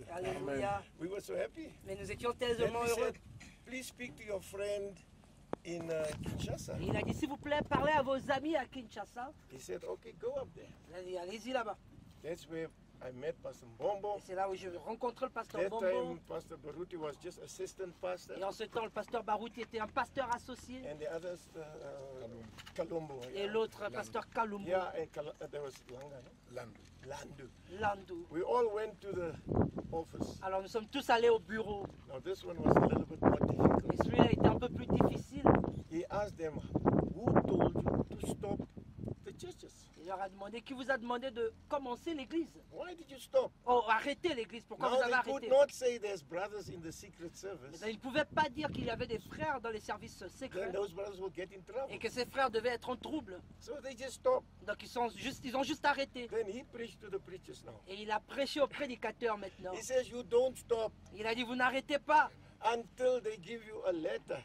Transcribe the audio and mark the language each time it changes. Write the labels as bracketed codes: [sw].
[en] Alléluia. We were so happy. [fr] Mais nous étions tellement heureux. [en] Said, please speak to your friend. In Kinshasa. [fr] Il a dit s'il vous plaît parlez à vos amis à Kinshasa. [en] He said okay go up there. [fr] Il a dit allez-y là-bas. [en] That's where I met Pastor Mbombo. [fr] Et c'est là où je rencontre le pasteur Mbombo. [en] That time Pastor Baruti was just assistant pastor. [fr] Et en ce temps le pasteur Baruti était un pasteur associé. [en] And the other Kalumbo. Yeah. [fr] Et l'autre pasteur Kalumbo. [en] Yeah and there was Langa, no? [fr] Landu. Landu. Landu. [en] We all went to the office. [fr] Alors nous sommes tous allés au bureau. [en] Now this one was a little bit more difficult. [fr] Et celui-là était un peu plus difficile. [en] He asked them, who told you to stop the churches? [fr] Il leur a demandé qui vous a demandé de commencer l'église. [en] Why did you stop? [fr] Oh, arrêter l'église. Pourquoi [en] Now [fr] vous avez [en] they [fr] arrêté? [en] They could not say there's brothers in the secret service. [fr] Ils ne pouvaient pas dire qu'il y avait des frères dans les services secrets. [en] Then those brothers would get in trouble. [fr] Et que ces frères devaient être en trouble. [en] So they just stopped. [fr] Donc ils ont juste arrêté. [en] Then he preached to the preachers now. [fr] Et il a prêché aux prédicateurs maintenant. [en] He says you don't stop. [fr] Il a dit vous n'arrêtez pas. [en] Until they give you a letter.